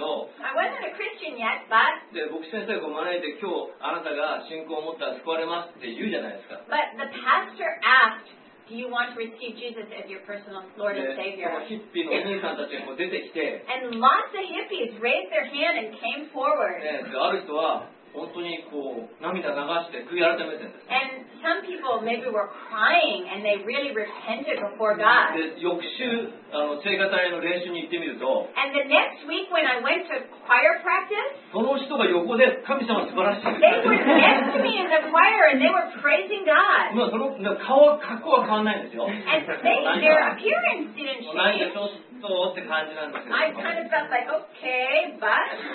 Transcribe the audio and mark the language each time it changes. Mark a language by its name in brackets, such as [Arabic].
[English] I wasn't a Christian yet, but. [Japanese] で牧師先生を招いて今日あなたが信仰を持ったら救われますって言うじゃないですか。 [English] But the pastor asked, "Do you want to receive Jesus as your personal Lord and Savior?" [Japanese] で、ヒッピーのお姉さんたちが出てきて。 [English] And lots of hippies raised their hand and came forward. [Japanese] で、ある人は本当にこう涙流して悔い改めてるんです。 [English] And some people maybe were crying and they really repented before God. [Japanese] で、翌週あの聖歌隊の練習に行ってみると。 [English] And the next week when I went to choir practice. [Japanese] その人が横で神様素晴らしい。 [English] They were next to me in the choir and they were praising God. [Japanese] まあその顔格好は変わらないんですよ。 [English] And they, their appearance didn't change. [Japanese] 何かちょっとって感じなんですけど。 [English] I kind of felt like okay, but.